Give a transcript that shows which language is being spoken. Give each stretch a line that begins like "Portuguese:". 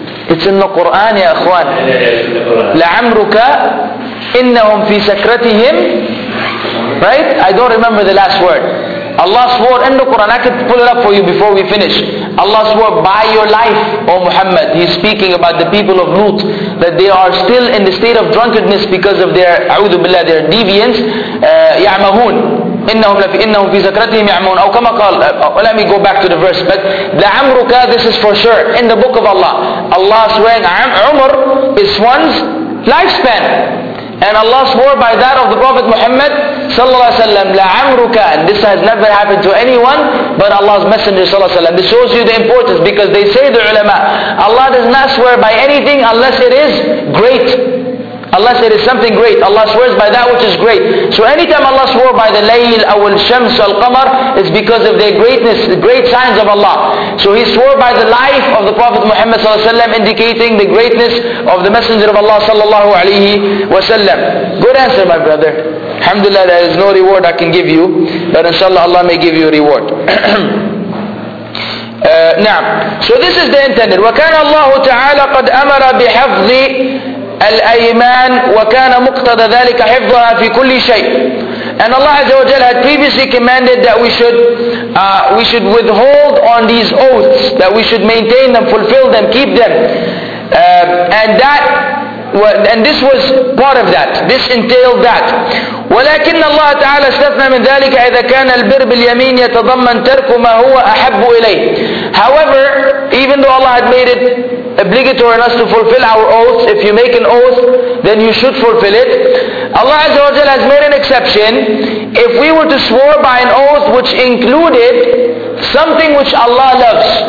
English: It's in the Quran, ya akhwan.
Arabic: La'amruka innahum fi sakratihim.
English: Right? I don't remember the last word. Allah swore in the Quran. I could pull it up for you before we finish. Allah swore by your life, O Muhammad. He's speaking about the people of Lut, that they are still in the state of drunkenness because of their, a'udhu billah, their deviance.
Arabic: Ya'mahoon. إنهم في سكرتهم يعمون أو كما قال.
English: Let me go back to the verse. But لعمرك, this is for sure in the book of Allah. Allah swearing عمر is one's lifespan, and Allah swore by that of the Prophet Muhammad صلى الله عليه وسلم لعمرك. And this has never happened to anyone but Allah's Messenger صلى الله عليه وسلم. This shows you the importance, because they say, the ulama, Allah does not swear by anything unless it is great. Allah said it's something great. Allah swears by that which is great. So anytime Allah swore by the layl, awal shams, al qamar, it's because of their greatness, the great signs of Allah. So He swore by the life of the Prophet Muhammad sallallahu alaihi wasallam, indicating the greatness of the Messenger of Allah sallallahu alaihi wasallam. Good answer, my brother. Alhamdulillah, there is no reward I can give you, but inshallah Allah may give you a reward. Now, so this is the intended.
Arabic: وكان الله تعالى قد أمر بحفظ الأيمان وكان مقتضى ذلك حفظها في كل شيء.
English: And Allah Azza wa Jalla had previously commanded that we should withhold on these oaths, that we should maintain them, fulfill them, keep them. And this was part of that. This entailed that.
Arabic: ولكن الله تعالى استثنى من ذلك إذا كان البر باليمين يتضمن ترك ما هو أحب إليه.
English: However, even though Allah had made it obligatory on us to fulfill our oaths, if you make an oath, then you should fulfill it. Allah Azza wa Jalla has made an exception. If we were to swear by an oath which included something which Allah loves.